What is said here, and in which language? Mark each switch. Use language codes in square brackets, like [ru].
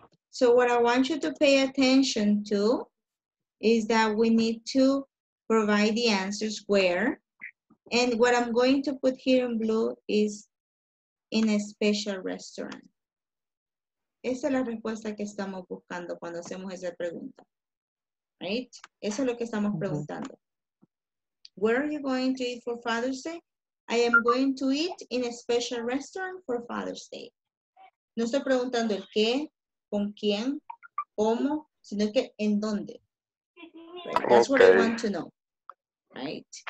[en] So what I want you to pay attention to is that we need to provide the answers where. And what I'm going to put here in blue is in a special restaurant. [es] Esa es la respuesta que estamos buscando cuando hacemos esa pregunta. Right? Eso es lo que estamos preguntando. [en] Where are you going to eat for Father's Day? I am going to eat in a special restaurant for Father's Day. [es] No estoy preguntando el qué, con quién, cómo, sino que en dónde. [en] Right? That's okay. what I want to know, right?